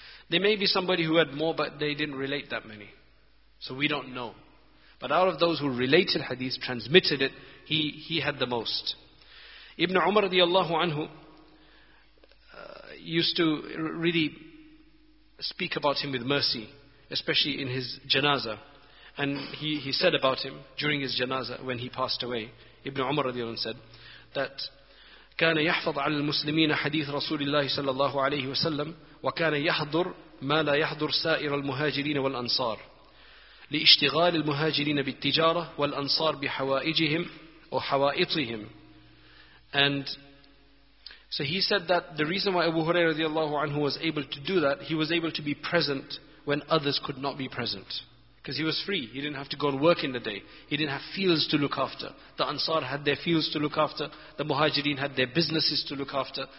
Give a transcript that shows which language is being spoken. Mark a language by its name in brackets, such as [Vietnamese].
[English] There may be somebody who had more, but they didn't relate that many. So we don't know. But out of those who related hadith, transmitted it, he had the most. Ibn Umar radiallahu anhu used to really speak about him with mercy, especially in his janazah. And he said about him during his janazah when he passed away, Ibn Umar radiallahu anhu said that [Arabic] كَانَ يَحْفَظْ عَلَى الْمُسْلِمِينَ حَدِيثَ رَسُولِ اللَّهِ صَلَى اللَّهُ عَلَيْهِ وَسَلَّمْ وَكَانَ يَحْضُرْ مَا لَا يَحْضُرْ سَائِرَ الْمُهَاجِرِينَ وَالْأَنصَارِ لإشتغال المهاجرين بالتجارة والأنصار بحوائجهم وحوائطهم. [English] And so he said that the reason why Abu Hurairah radiallahu anhu was able to do that, he was able to be present when others could not be present. Because he was free. He didn't have to go and work in the day. He didn't have fields to look after. The Ansar had their fields to look after. The Muhajireen had their businesses to look after.